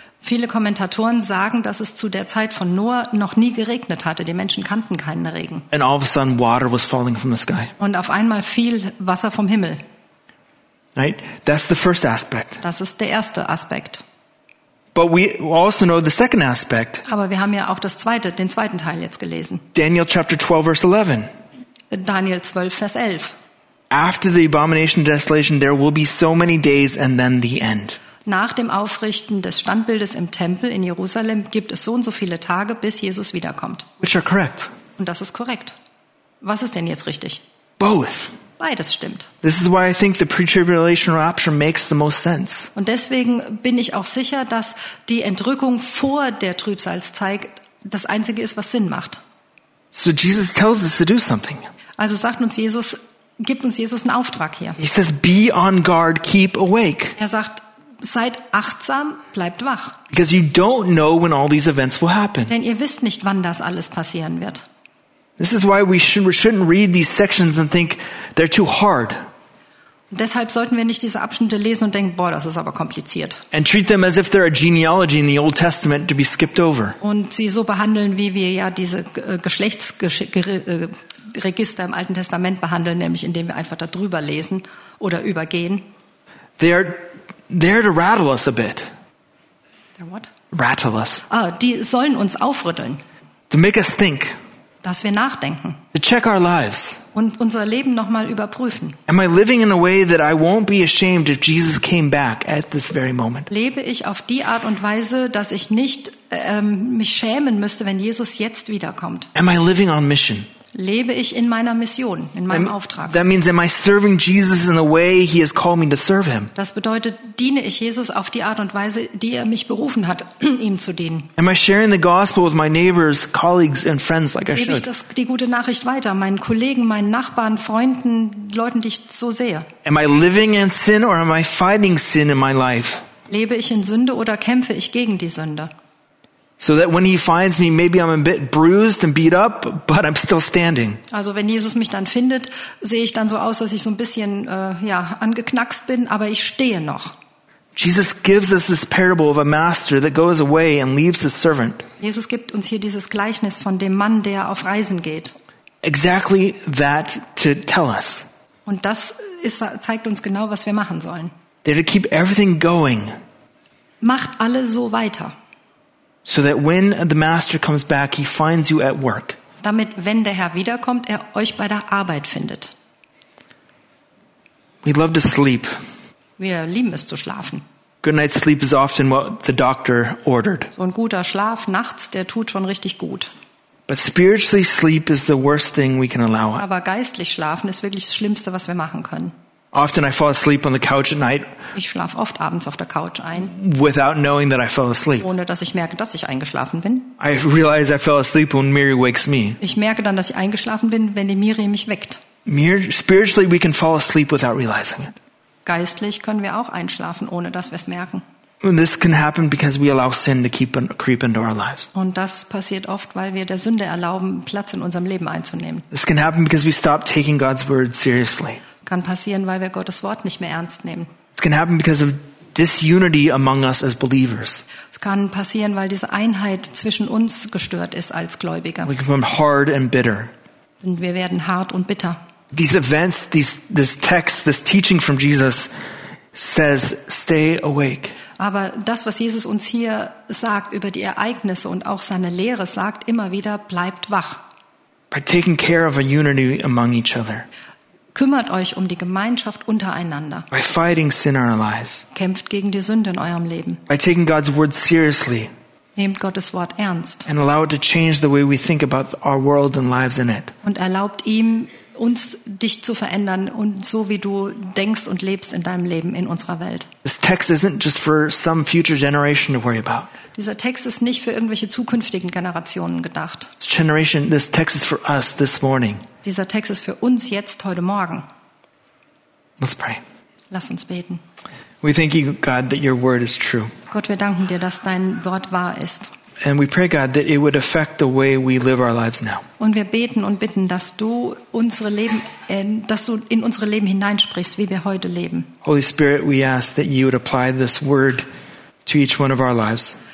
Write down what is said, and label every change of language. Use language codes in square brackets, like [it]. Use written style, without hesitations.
[de] Viele Kommentatoren sagen, dass es zu der Zeit von Noah noch nie geregnet hatte. Die Menschen kannten keinen Regen. [en] And all of a sudden, water was falling from the sky. [de] Und auf einmal fiel Wasser vom Himmel. [en] Right? That's the first aspect. [de] Das ist der erste Aspekt. [en] But we also know the second aspect. [de] Aber wir haben ja auch den zweiten Teil jetzt gelesen. [en] Daniel chapter 12 verse 11. [de] Daniel 12, Vers 11. [en] After the abomination of desolation, there will be so many days and then the end. [de] Nach dem Aufrichten des Standbildes im Tempel in Jerusalem gibt es so und so viele Tage, bis Jesus wiederkommt. [en] Which are correct. [de] Und das ist korrekt. Was ist denn jetzt richtig? [en] Both. [de] Beides stimmt. [en] This is why I think the pre-tribulation rapture makes the most sense. [de] Und deswegen bin ich auch sicher, dass die Entrückung vor der Trübsalzeit das Einzige ist, was Sinn macht. [en] So Jesus tells us to do something. [de] Also sagt uns Jesus, gibt uns Jesus einen Auftrag hier. [en] He says, be on guard, keep awake. [de] Er sagt, seid achtsam, bleibt wach. [en] Because you don't know when all these events will happen. [de] Denn ihr wisst nicht, wann das alles passieren wird. [en] This is why we shouldn't read these sections and think they're too hard. [de] Und deshalb sollten wir nicht diese Abschnitte lesen und denken, boah, das ist aber kompliziert. [en] And treat them as if they're a genealogy in the Old Testament to be skipped over. [de] Und sie so behandeln, wie wir ja diese Geschlechtsregister im Alten Testament behandeln, nämlich indem wir einfach da drüber lesen oder übergehen. [en] They're there to rattle us a bit. They're what? rattle us. [de] Ah, die sollen uns aufrütteln. [en] To make us think. [de] Dass wir nachdenken. [en] To check our lives. [de] Und unser Leben nochmal überprüfen. [en] Am I living in a way that I won't be ashamed if Jesus came back at this very moment? [de] Lebe ich auf die Art und Weise, dass ich nicht mich schämen müsste, wenn Jesus jetzt wiederkommt? [en] Am I living on mission? [de] Lebe ich in meiner Mission, in meinem Auftrag? [en] That means, am I serving Jesus in the way he has called me to serve him? [de] Das bedeutet, diene ich Jesus auf die Art und Weise, die er mich berufen hat, ihm zu dienen? [en] Am I sharing the gospel with my neighbors, colleagues and friends like I should? [de] Gebe ich die gute Nachricht weiter, meinen Kollegen, meinen Nachbarn, Freunden, Leuten, die ich so sehe? [en] Am I living in sin or am I fighting sin in my life? [de] Lebe ich in Sünde oder kämpfe ich gegen die Sünde? [en] So that when he finds me, maybe I'm a bit bruised and beat up, but I'm still standing. [de] Also, wenn Jesus mich dann findet, sehe ich dann so aus, dass ich so ein bisschen angeknackst bin, aber ich stehe noch. [en] Jesus gives us this parable of a master that goes away and leaves his servant. [de] Jesus gibt uns hier dieses Gleichnis von dem Mann, der auf Reisen geht. [en] Exactly that to tell us. [de] Und das ist, zeigt uns genau, was wir machen sollen. [en] They're to keep everything going. [de] Macht alle so weiter. [en] So that when the master comes back, he finds you at work. [de] Damit, wenn der Herr wiederkommt, er euch bei der Arbeit findet. [en] We love to sleep. [de] Wir lieben es zu schlafen. [en] Good night's sleep is often what the doctor ordered. [de] So ein guter Schlaf nachts, der tut schon richtig gut. [en] But spiritually sleep is the worst thing we can allow. [de] Aber geistlich schlafen ist wirklich das Schlimmste, was wir machen können. [en] Often I fall asleep on the couch at night. [de] Ich schlaf oft abends auf der Couch ein. [en] Without knowing that I fell asleep. [de] Ohne dass ich merke, dass ich eingeschlafen bin. [en] I realize I fell asleep when Miri wakes me. [de] Ich merke dann, dass ich eingeschlafen bin, wenn die Miri mich weckt. [en] Spiritually we can fall asleep without realizing it. [de] Geistlich können wir auch einschlafen, ohne dass wir es merken. [en] And this can happen because we allow sin to creep into our lives. [de] Und das passiert oft, weil wir der Sünde erlauben, Platz in unserem Leben einzunehmen. [en] This can happen because we stop taking God's word seriously. [de] Kann passieren, weil wir Gottes Wort nicht mehr ernst nehmen. [en] It can happen because of disunity among us as believers. [de] Es kann passieren, weil diese Einheit zwischen uns gestört ist als Gläubiger. [en] We become hard and bitter. [de] Und wir werden hart und bitter. [en] These events, this text, this teaching from Jesus says, stay awake. [de] Aber das, was Jesus uns hier sagt über die Ereignisse und auch seine Lehre, sagt immer wieder, bleibt wach. [en] By taking care of a unity among each other. [de] Kümmert euch um die Gemeinschaft untereinander. [en] By fighting sin in our lives. [de] Kämpft gegen die Sünde in eurem Leben. [en] By taking God's word seriously. [de] Nehmt Gottes Wort ernst. [en] And allow it to change the way we think about our world and lives in it. [de] Und erlaubt ihm, uns dich zu verändern und so wie du denkst und lebst in deinem Leben in unserer Welt. [en] This text isn't just for some future generation to worry about. [de] Dieser Text ist nicht für irgendwelche zukünftigen Generationen gedacht. [en] This text is for us this morning. [de] Dieser Text ist für uns jetzt heute Morgen. [en] Let's pray. [de] Lass uns beten. [en] We thank you, God, that your word is true. [de] Gott, wir danken dir, dass dein Wort wahr ist. [en] And we pray, God, that it would affect the way we live our lives now. [de] Und wir beten und bitten, dass du unsere Leben, dass du in unsere Leben hineinsprichst, wie wir heute leben. [en] Holy Spirit, we ask that you would apply this word to each one of our lives.